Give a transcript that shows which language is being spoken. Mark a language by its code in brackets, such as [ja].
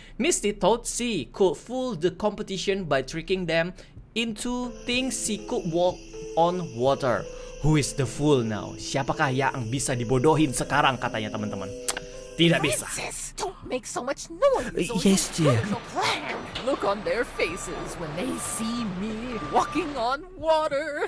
[en] Misty thought she could fool the competition by tricking them into thinking she could walk on water. Who is the fool now? [id] Siapakah yang bisa dibodohin sekarang, katanya teman-teman. Tidak bisa. [en] Princess, don't make so much noise. Yes, dear. Look on their faces when they see me walking on water.